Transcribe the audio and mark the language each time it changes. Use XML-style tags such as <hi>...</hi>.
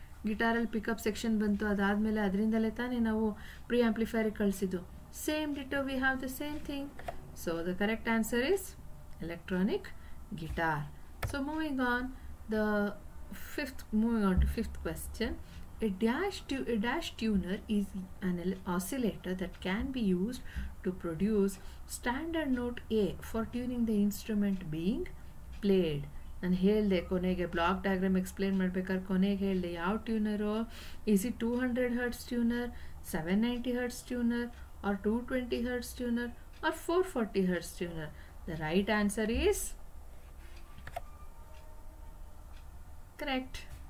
<kn>Guitar ಅಲ್ಲಿ pickup section ಬಂತು, ಅದಾದ್ಮೇಲೆ ಅದರಿಂದಲೇ ತಾನೇ ನಾವು pre amplifier ಕಳಿಸಿದ್ದು.</kn> <en>Same ditto, we have the same thing. So the correct answer is electronic guitar. So moving on the fifth, moving on to fifth question. A dash tuner is an oscillator that can be used to produce standard note A for tuning the instrument being played.</en> <kn>ನಾನು ಹೇಳಿದೆ ಕೊನೆಗೆ block diagram explain ಮಾಡ್ಬೇಕಾದ್ರೆ ಕೊನೆಗೆ ಹೇಳಿದೆ ಯಾವ ಟ್ಯೂನರು,</kn> <en>Is it 200 Hz tuner, 790 Hz tuner, or 220 Hz tuner, or 440 Hz tuner. The right answer is correct.</en>